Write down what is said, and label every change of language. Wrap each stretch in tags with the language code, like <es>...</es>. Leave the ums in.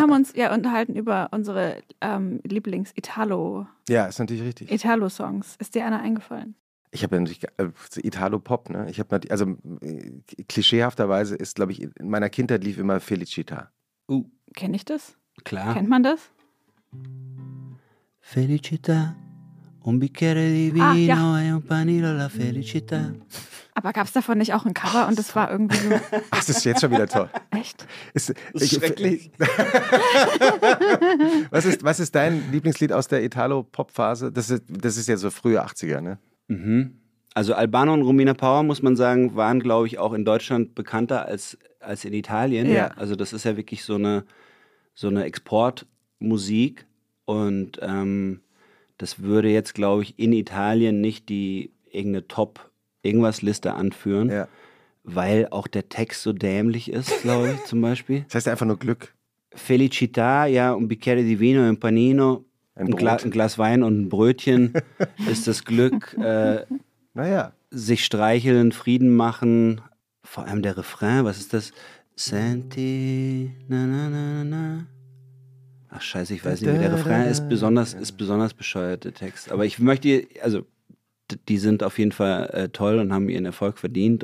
<de>haben uns ja unterhalten über unsere ähm, Lieblings-Italo- ja, ist natürlich richtig. Italo-Songs. Ist dir einer eingefallen? Ich habe ja natürlich äh, so Italo-Pop, ne? Ich habe natürlich, also äh, klischeehafterweise ist, glaube ich, in meiner Kindheit lief immer Felicita. Uh, Kenne ich das? klar. Kennt man das?</de> <it>Felicità, un bicchiere di vino</it> <de>Ah, ja.</de> <it>e un panino alla felicità.</it> <de>Aber gab es davon nicht auch ein Cover und das war irgendwie so Ach, das ist jetzt schon wieder toll. echt? Ist, Das ist schrecklich. was, ist, was ist dein Lieblingslied aus der Italo-Pop-Phase? Das ist, das ist jetzt so frühe 80er, ne? Mhm. Also Albano und Romina Power, muss man sagen, waren, glaube ich, auch in Deutschland bekannter als, als in Italien. Ja. Also das ist ja wirklich so eine, so eine Exportmusik. Und ähm, das würde jetzt, glaube ich, in Italien nicht die irgendeine Top-Irgendwas-Liste anführen, Ja. weil auch der Text so dämlich ist, glaube ich, zum Beispiel. Das heißt einfach nur Glück.</de> <it>Felicità, ja, un bicchiere di vino, e un panino,</it> <de>Ein ein, Gla Brot. ein Glas Wein und ein Brötchen ist das Glück. Äh, Naja. sich streicheln, Frieden machen. Vor allem der Refrain, was ist das? Senti, na na na na, na. Ach scheiße, ich weiß nicht, mehr. der Refrain ist besonders, ist besonders bescheuert, der Text. Aber ich möchte, also d- die sind auf jeden Fall äh, toll und haben ihren Erfolg verdient.</de>